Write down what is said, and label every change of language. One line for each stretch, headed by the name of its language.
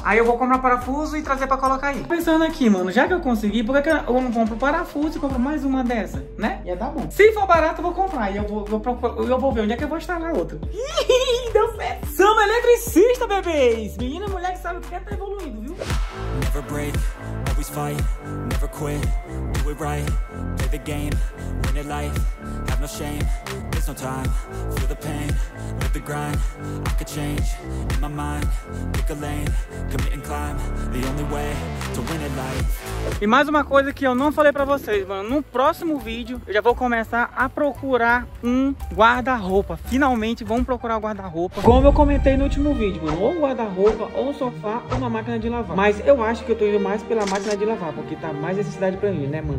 Portuguese: Aí eu vou comprar parafuso e trazer pra colocar aí. Pensando aqui, mano, já que eu consegui, por que eu não compro parafuso e compro mais uma dessa, né? Ia dar bom. Se for barato, eu vou comprar. E eu vou ver onde é que eu vou instalar outro. Ih, deu certo. Somos eletricista, bebês. Menina e mulher que sabe o que é, tá evoluindo, viu?
English: Never break, always fight, never quit, do it right, play the game, win it life, have no shame, there's no time, feel the pain, live the grind, I could change, in my mind, pick a lane, commit and climb, the only way to win it life.
Portuguese: E mais uma coisa que eu não falei pra vocês, mano, no próximo vídeo eu já vou começar a procurar um guarda-roupa. Finalmente vamos procurar um guarda-roupa. Como eu comentei no último vídeo, mano, ou guarda-roupa, ou um sofá, ou uma máquina de lavar. Mas eu acho que eu tô indo mais pela máquina de lavar, porque tá mais necessidade pra mim, né, mano?